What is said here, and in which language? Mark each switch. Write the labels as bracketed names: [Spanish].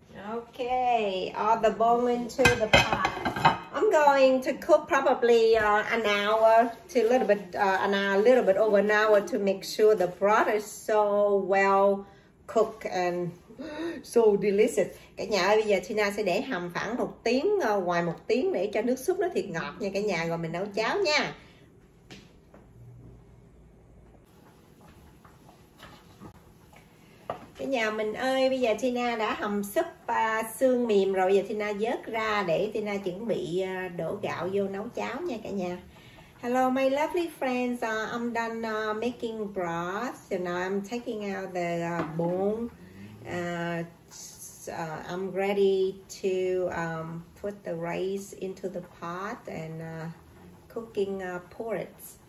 [English] Okay, all the bone into the pot. I'm going to cook probably an hour to a little bit, over an hour to make sure the broth is so well cooked and so delicious. [Vietnamese] Cả nhà ơi, bây giờ Tina sẽ để hầm khoảng một tiếng, ngoài một tiếng để cho nước súp nó thiệt ngọt nha cả nhà, rồi mình nấu cháo nha. Cái nhà mình ơi, bây giờ Tina đã hầm súp xương mềm rồi, giờ Tina vớt ra để Tina chuẩn bị đổ gạo vô nấu cháo nha cả nhà. [English] Hello my lovely friends, I'm done making broth, so now I'm taking out the bone. I'm ready to put the rice into the pot and cooking porridge.